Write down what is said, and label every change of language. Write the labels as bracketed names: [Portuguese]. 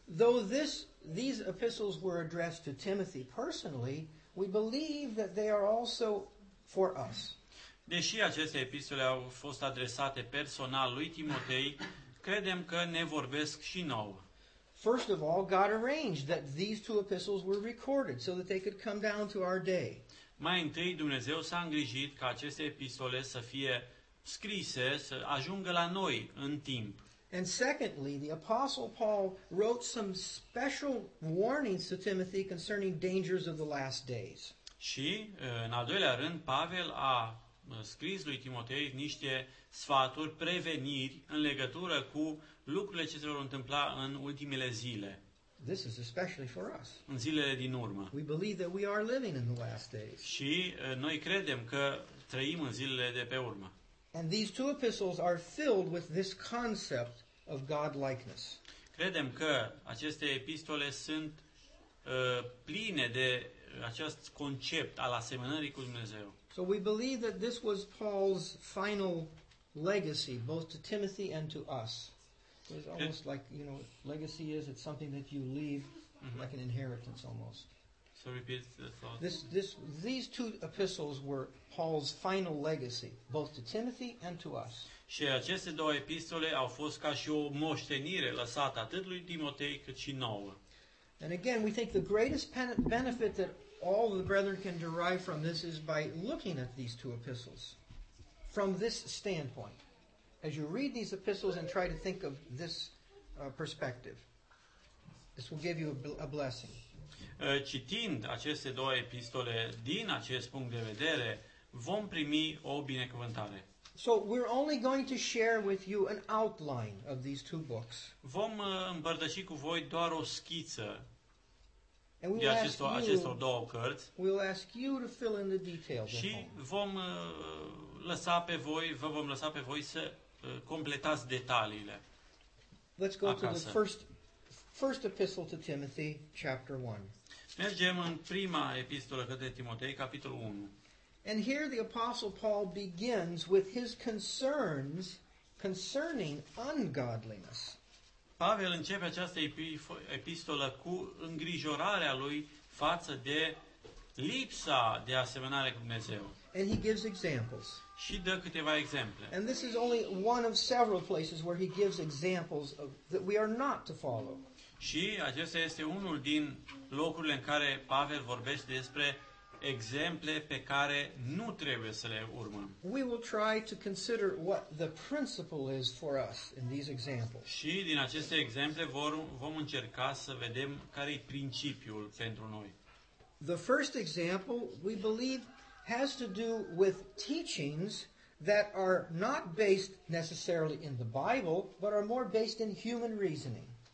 [English] Though these epistles were addressed to Timothy personally, we believe that they are also for us. [Romanian] Deși aceste epistole au fost adresate personal lui Timotei, credem că ne vorbesc și nouă. [English] First of all, God arranged that these two epistles were recorded so that they could come down to our day. [Romanian] Mai întâi, Dumnezeu s-a îngrijit ca aceste epistole să fie scrise, să ajungă la noi în timp. [English] And secondly, the Apostle Paul wrote some special warnings to Timothy concerning dangers of the last days. [Romanian] Și, în al doilea rând, Pavel a scris lui Timotei niște sfaturi, preveniri, în legătură cu lucrurile ce se vor întâmpla în ultimele zile. [English] This is especially for us. [Romanian] În zilele din urmă. [English] We believe that we are living in the last days. [Romanian] Și noi credem că trăim în zilele de pe urmă. [English] And these two epistles are filled with this concept of godlikeness. [Romanian] Credem că aceste epistole sunt pline de acest concept al asemănării cu Dumnezeu. [English] So we believe that this was Paul's final legacy, both to Timothy and to us. It's almost like, you know, legacy is, it's something that you leave, mm-hmm. like an inheritance almost. So repeat the thought. These two epistles were Paul's final legacy, both to Timothy and to us. [Romanian] Și aceste două epistole au fost ca și o moștenire lăsată atât lui Timotei cât și nouă. [English] And again, we think the greatest benefit that all the brethren can derive from this is by looking at these two epistles from this standpoint. As you read these epistles and try to think of this perspective, this will give you a blessing. [Romanian] Citind aceste două epistole din acest punct de vedere, vom primi o binecuvântare. [English] So we're only going to share with you an outline of these two books. [Romanian] Vom împărtăși cu voi doar o schiță de acestor două cărți. [English] We'll ask you to fill in the details. [Romanian] Și vom lăsa pe voi, vă vom lăsa pe voi să completați detaliile. [English] Let's go [Romanian] acasă. [English] To the first epistle to Timothy, chapter 1. [Romanian] Mergem în prima epistolă către Timotei, capitolul 1. [English] And here the Apostle Paul begins with his concerns concerning ungodliness. [Romanian] Pavel începe această epistolă cu îngrijorarea lui față de lipsa de asemănare cu Dumnezeu. [English] And he gives examples. [Romanian] Și dă câteva exemple. [English] And this is only one of several places where he gives examples of that we are not to follow. [Romanian] Și acesta este unul din locurile în care Pavel vorbește despre exemple pe care nu trebuie să le urmăm. [English] We will try to consider what the principle is for us in these examples. [Romanian] Și din aceste exemple vom încerca să vedem care e principiul pentru noi. [English] The first example, we believe, has to do with teachings that are not based necessarily in the Bible, but are more based in human reasoning.